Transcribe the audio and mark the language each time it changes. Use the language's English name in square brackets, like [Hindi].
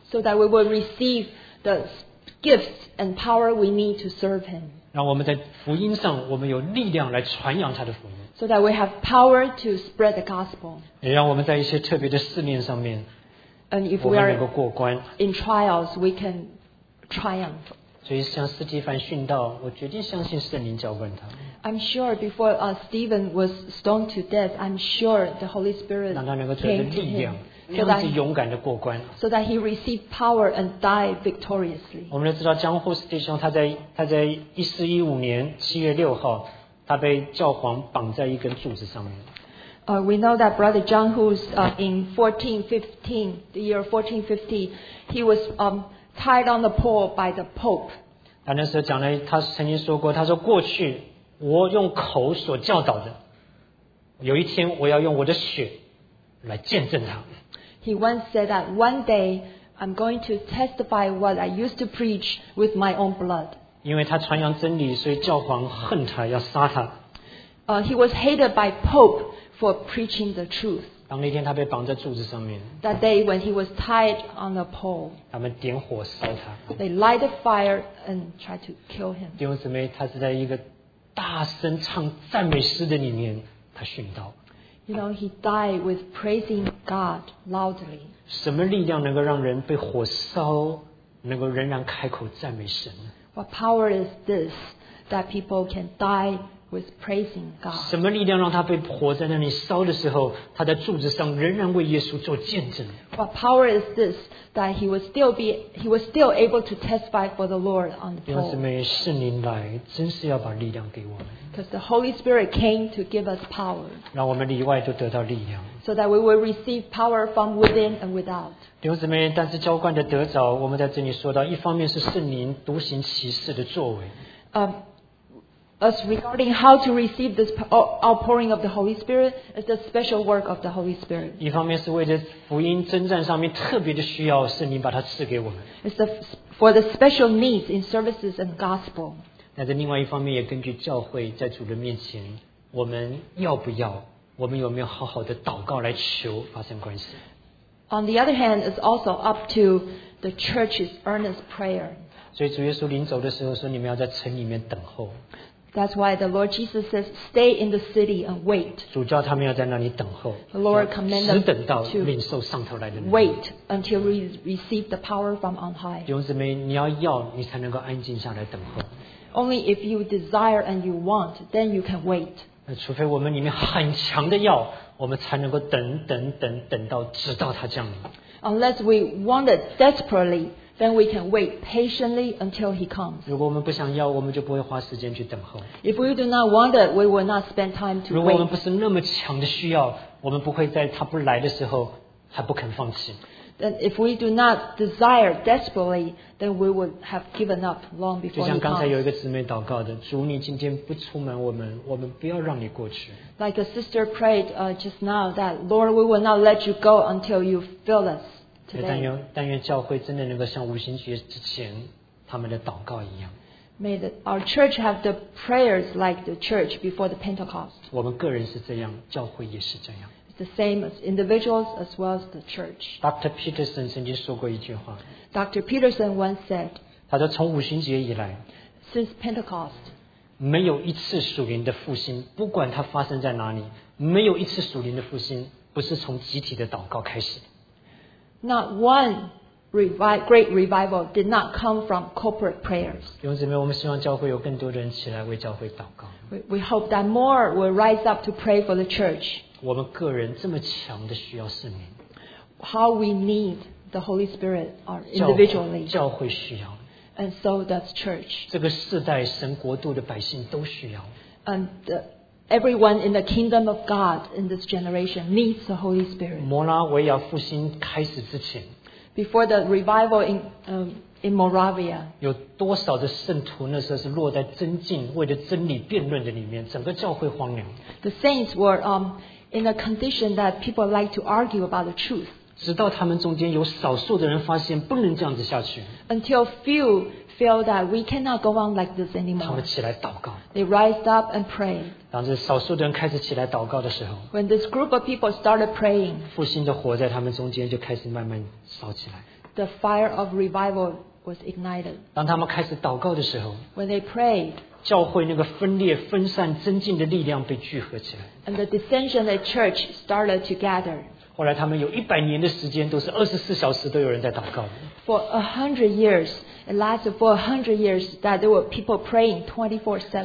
[English] So that we will receive the gifts and power we need to serve Him. [Chinese] 让我们在福音上，我们有力量来传扬他的福音。 [English] So that we have power to spread the gospel. [Chinese] 也让我们在一些特别的试炼上面， [English] and if [Chinese] 我们能够过关。 [English] In trials, we can triumph. [Chinese] 所以像斯提凡殉道，我决定相信圣灵浇灌他。 [English] I'm sure before Stephen was stoned to death, I'm sure the Holy Spirit came to him. [Chinese] 让他能够得力量。 [English] So that he received power and died victoriously. [Chinese] 我们都知道江户弟兄他在1415年7月6号，他被教皇绑在一根柱子上面。 [English] We know that Brother Zhang Hu's in 1415, the year 1450, he was tied on the pole by the Pope. [Chinese] 他那时候讲了，他曾经说过，他说过去我用口所教导的，有一天我要用我的血来见证他。 [English] He once said that one day I'm going to testify what I used to preach with my own blood. [Chinese] 因为他传扬真理，所以教皇恨他，要杀他。 [English] He was hated by Pope for preaching the truth. [Chinese] 当那天他被绑在柱子上面。 [English] That day when he was tied on a pole. [Chinese] 他们点火烧他。 [English] They light a fire and try to kill him. [Chinese] 弟兄姊妹，他是在一个大声唱赞美诗的里面，他殉道。 [English] You know, he died with praising God loudly. [Chinese] 什么力量能够让人被火烧，能够仍然开口赞美神。 [English] What power is this that people can die with praising God? [Chinese] 什么力量让他被火在那里烧的时候，他在柱子上仍然为耶稣做见证 [English] ？What power is this that he was still able to testify for the Lord on the pole? [Chinese] 弟兄姊妹，圣灵来，真是要把力量给我们。 [English] Because the Holy Spirit came to give us power. [Chinese] 让我们里外都得到力量。 [English] So that we will receive power from within and without. [Chinese] 弟兄姊妹，但是浇灌的得着，我们在这里说到，一方面是圣灵独行其事的作为。 [English] As regarding how to receive this outpouring of the Holy Spirit, it's the special work of the Holy Spirit. [Chinese] 一方面是为着福音征战上面特别的需要，圣灵把它赐给我们。 [English] It's for the special needs in services and gospel. [Chinese] 那在另外一方面，也根据教会在主的面前，我们要不要，我们有没有好好的祷告来求发生关系 [English] ？On the other hand, it's also up to the church's earnest prayer. [Chinese] 所以主耶稣临走的时候说：“你们要在城里面等候。” [English] That's why the Lord Jesus says, "Stay in the city and wait." [Chinese] 主叫他们要在那里等候。 [English] The Lord commands them to [Chinese] 只等到领受上头来的。 [English] Wait until we receive the power from on high. [Chinese] 弟兄姊妹，你要你才能够安静下来等候。 [English] Only if you desire and you want, then you can wait. [Chinese] 那除非我们里面很强的要，我们才能够等等等等到直到他降临。 [English] Unless we want it desperately, then we can wait patiently until he comes. [Chinese] 如果我们不想要，我们就不会花时间去等候。 [English] If we do not want it, we will not spend time to wait. [Chinese] 如果我们不是那么强的需要，我们不会在他不来的时候还不肯放弃。 [English] Then if we do not desire desperately, then we would have given up long before he comes. [Chinese] 就像刚才有一个姊妹祷告的，主，你今天不出门，我们不要让你过去。 [English] Like a sister prayed just now that Lord, we will not let you go until you fill us today. [Chinese] 但愿教会真的能够像五旬节之前他们的祷告一样。 [English] May our church have the prayers like the church before the Pentecost. [Chinese] 我们个人是这样，教会也是这样。 [English] The same as individuals as well as the church. [Chinese] Dr. Peterson 曾经说过一句话。 [English] Dr. Peterson once said. [Chinese] 他说从五旬节以来。 [English] Since Pentecost. [Chinese] 没有一次属灵的复兴，不管它发生在哪里，没有一次属灵的复兴不是从集体的祷告开始。 [English] Not one great revival did not come from corporate prayers. [Chinese] 弟兄姊妹，我们希望教会有更多人起来为教会祷告。 [English] We hope that more will rise up to pray for the church. [Chinese] 我们个人这么强的需要圣灵。 [English] How we need the Holy Spirit are individually. [Chinese] 教会需要。 [English] And so does church. [Chinese] 这个世代神国度的百姓都需要。 [English] Everyone in the kingdom of God in this generation needs the Holy Spirit. [Chinese] 摩拉维亚复兴开始之前。 [English] Before the revival in Moravia, [Chinese] 有多少的圣徒那时候是落在真境，为了真理辩论的里面，整个教会荒凉。 [English] The saints were in a condition that people like to argue about the truth. [Chinese] 直到他们中间有少数的人发现不能这样子下去。 [English] Until few feel that we cannot go on like this anymore. [Chinese] 他们起来祷告。 [English] They rise up and pray. [Chinese] 当这少数的人开始起来祷告的时候 [English] ，When this group of people started praying, [Chinese] 复兴的火在他们中间就开始慢慢烧起来。 [English] The fire of revival was ignited. [Chinese] 当他们开始祷告的时候 [English] ，When they prayed, [Chinese] 教会那个分裂、分散、增进的力量被聚合起来。 [English] And the dissension of the church started to gather. [Chinese] 后来他们有一百年的时间都是二十四小时都有人在祷告。 [English] For 100 years. It lasted for 100 years that there were people praying 24/7.